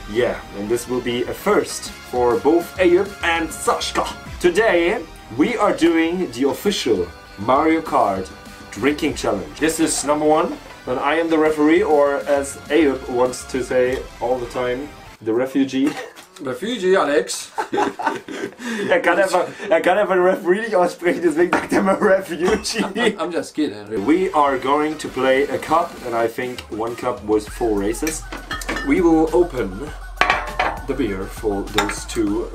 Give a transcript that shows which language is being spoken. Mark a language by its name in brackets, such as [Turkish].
[English] Yeah, and this will be a first for both Ayub and Sashka. Today, we are doing the official Mario Kart drinking challenge. This is number one, when I am the referee, or as Ayub wants to say all the time, the refugee. Refugee, Alex. [German] er kann einfach den Referee nicht aussprechen, deswegen sagt er immer Refugee. [English] I'm just kidding. We are going to play a cup, and I think one cup was four races. We will open the beer for those two.